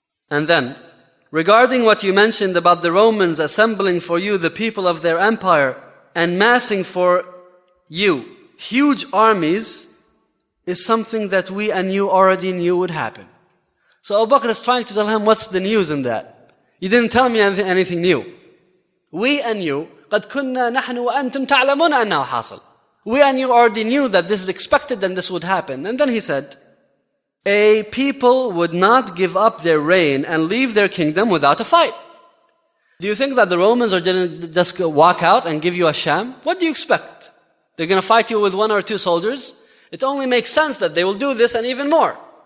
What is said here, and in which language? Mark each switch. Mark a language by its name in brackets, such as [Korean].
[English] And then, regarding what you mentioned about the Romans assembling for you the people of their empire and massing for you huge armies, is something that we and you already knew would happen. So Abu Bakr is trying to tell him, what's the news in that? You didn't tell me anything new. We and you, [Arabic] قَدْ كُنَّا نَحْنُ وَأَنْتُمْ تَعْلَمُونَ أَنَّهُ حَاصِلٌ. [English] We and you already knew that this is expected and this would happen. And then he said, a people would not give up their reign and leave their kingdom without a fight. Do you think that the Romans are going to just walk out and give you a sham? What do you expect? They're going to fight you with one or two soldiers? It only makes sense that they will do this and even more.